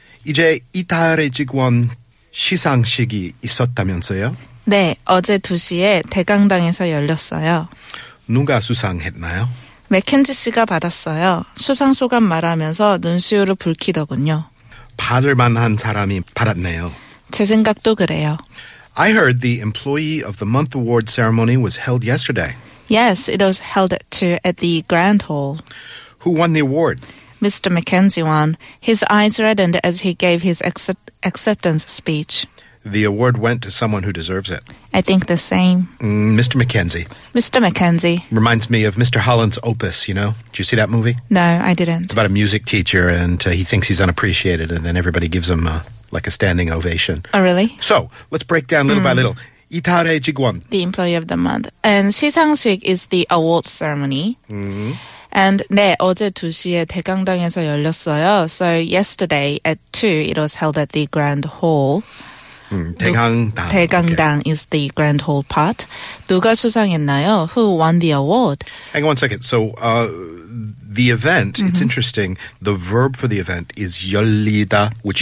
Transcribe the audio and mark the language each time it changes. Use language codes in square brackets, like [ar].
[ko] 이제 이달의 직원 시상식이 있었다면서요? 네, 어제 2시에 대강당에서 열렸어요. 누가 수상했나요? 맥켄지 씨가 받았어요. 수상 소감 말하면서 눈시울을 붉히더군요. 받을 만한 사람이 받았네요. 제 생각도 그래요. [en] I heard the Employee of the Month Award ceremony was held yesterday. Yes, it was held at the Grand Hall. Who won the award? Mr. McKenzie won. His eyes reddened as he gave his acceptance speech. The award went to someone who deserves it. I think the same. Mr. McKenzie. Mr. McKenzie. Reminds me of Mr. Holland's Opus, you know? Did you see that movie? No, I didn't. It's about a music teacher and he thinks he's unappreciated and then everybody gives him like a standing ovation. Oh, really? So, let's break down little by little. [ko] 이달의 직원. [en] The employee of the month. And [ko] 시상식 [en] is the award ceremony. And [ko] 네, 어제 2시에 대강당에서 열렸어요. [en] So yesterday at 2, it was held at the Grand Hall. [ko] 대강당. 대강당 [en] okay. is the Grand Hall part. [ko] 누가 수상했나요? [en] Who won the award? Hang on one second. So the event, it's interesting. The verb for the event is 열리다, which